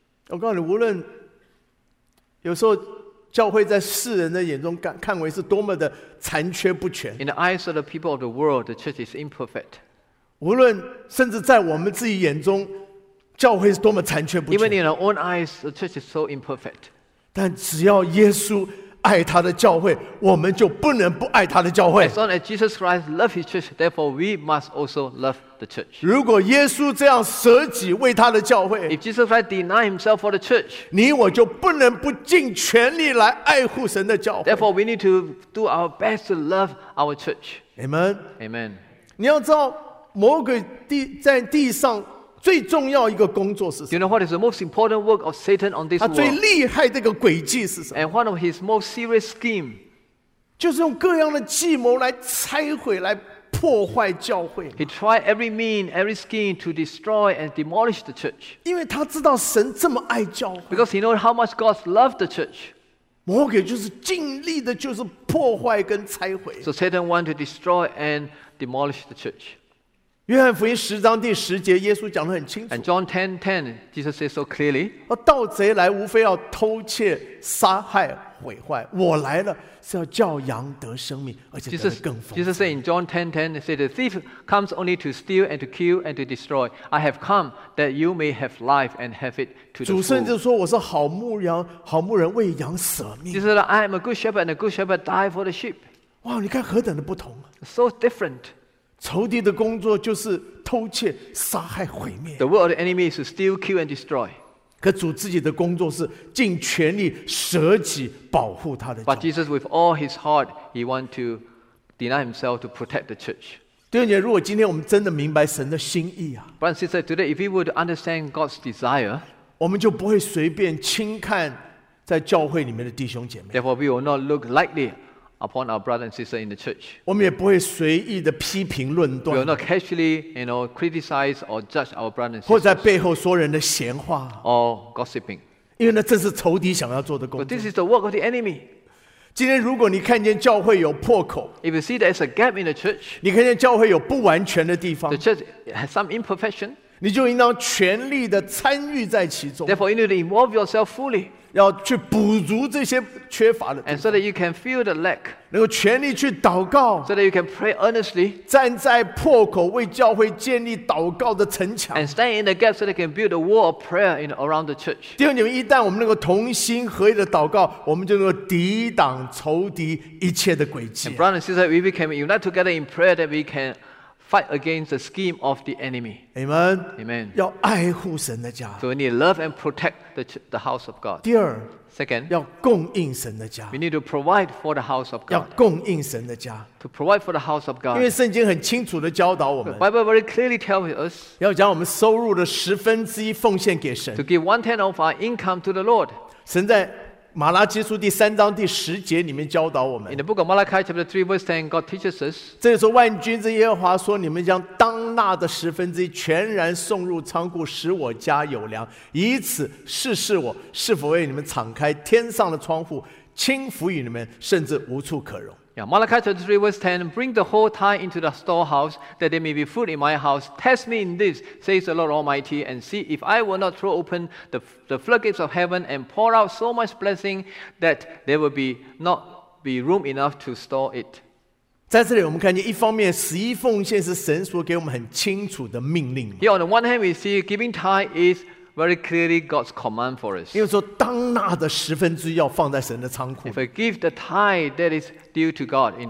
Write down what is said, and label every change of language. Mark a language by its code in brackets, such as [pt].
[zh] 我告诉你无论有时候教会在世人的眼中 看为是多么的残缺不全 [en] In the eyes of the people of the world The church is imperfect [zh] 无论甚至在我们自己眼中教会是多么残缺不全。 [en] Even in our own eyes, the church is so imperfect. [zh] 但只要耶稣爱他的教会，我们就不能不爱他的教会。 [en] As long as Jesus Christ loves His church, therefore we must also love the church. [zh] 如果耶稣这样舍己为他的教会 [en] ，If Jesus Christ denied Himself for the church, [zh] 你我就不能不尽全力来爱护神的教会。 [en] Therefore, we need to do our best to love our church. Amen. Amen. [zh] 你要知道，魔鬼在地上。最重要一个工作是什么 [en] ？Do you know what is the most important work of Satan on this world? [zh] 他最厉害的一个诡计是什么 [en] ？And one of his most serious scheme, [zh] 就是用各样的计谋来拆毁、来破坏教会。 [en] He tried every mean, every scheme to destroy and demolish the church. [zh] 因为他知道神这么爱教会。 [en] Because he knows how much God loved the church. [zh] 魔鬼就是尽力的，就是破坏跟拆毁。 [en] So Satan wants to destroy and demolish the church. [zh] 约翰福音十章第十节，耶稣讲得很清楚。 [en] And John 10:10, Jesus says so clearly. [zh] 盗贼来，无非要偷窃、杀害、毁坏。我来了，是要叫羊得生命，而且得更丰富。 [en] Jesus said in John 10:10, he said, "The thief comes only to steal and to kill and to destroy. I have come that you may have life and have it to the full." [zh] 主甚至说我是好牧羊，好牧人为羊舍命。 [en] Jesus said, "I am a good shepherd, and a good shepherd die for the sheep." [zh] 哇，你看何等的不同啊 [en] ！So different. [zh] 仇敌的工作就是偷窃、杀害、毁灭。 [en] The world enemy is to steal, kill, and destroy. [zh] 可主自己的工作是尽全力舍己保护他的教会。 [en] But Jesus, with all his heart, he wants to deny himself to protect the church. [zh] 弟兄姐妹，如果今天我们真的明白神的心意啊 [en] ，Brothers and sisters, today if we would understand God's desire, [zh] 我们就不会随便轻看在教会里面的弟兄姐妹。 [en] Therefore, we will not look lightly. Upon our brother and sister in the church, [zh] 我们也不会随意的批评论断。 [en] We will not casually, you know, criticize or judge our brother and sister. [zh] 或在背后说人的闲话。 [en] Or gossiping. [zh] 因为那这是仇敌想要做的工作。 [en] But this is the work of the enemy. [zh] 今天如果你看见教会有破口 [en] ，If you see there's a gap in the church, [zh] 你看见教会有不完全的地方 [en] ，The church has some imperfection. [zh] 你就应当全力的参与在其中。 [en] Therefore, you need to involve yourself fully. [zh] 要去补足这些缺乏的地方 [en] ，and so that you can fill the lack， [zh] 能够全力去祷告 [en] ，so that you can pray earnestly， [zh] 站在破口为教会建立祷告的城墙 [en] ，and stand in the gap so that you can build a wall of prayer in around the church。 [zh] 弟兄姐妹，一旦我们能够同心合意的祷告，我们就能够抵挡仇敌一切的诡计。 [en] And brothers and sisters, if we can unite together in prayer, that we can fight against the scheme of the enemy. Amen. Amen. [zh] 要爱护神的家。 [en] So we need love and protect the house of God. [zh] 第二 [en] Second, [zh] 要供应神的家。 [en] We need to provide for the house of God. [zh] 要供应神的家。 [en] To provide for the house of God. [zh] 因为圣经很清楚地教导我们。 [en] The Bible very clearly tells us. [zh] 要将我们收入的十分之一奉献给神。 [en] To give one tenth of our income to the Lord. [zh] 神在马拉基书第三章第十节里面教导我们 [en] In the book of Malachi chapter 3 verse 10 God teaches us [zh] 这里说万军之耶和华说你们将当纳的十分之一全然送入仓库使我家有粮以此试试我是否为你们敞开天上的窗户倾覆于你们甚至无处可容 [en] yeah, Malachi chapter 3 verse 10 Bring the whole tithe into the storehouse that there may be food in my house Test me in this says the Lord Almighty and see if I will not throw open the floodgates of heaven and pour out so much blessing that there will be not be room enough to store it. [zh] 在这里我们看见一方面十一奉献是神所给我们很清楚的命令。 [en] Here on the one hand we see giving tithe is very clearly God's command for us. [zh] 因为说当纳的十分之一要放在神的仓库。 [en] If we give the tithe that is due to God in heaven.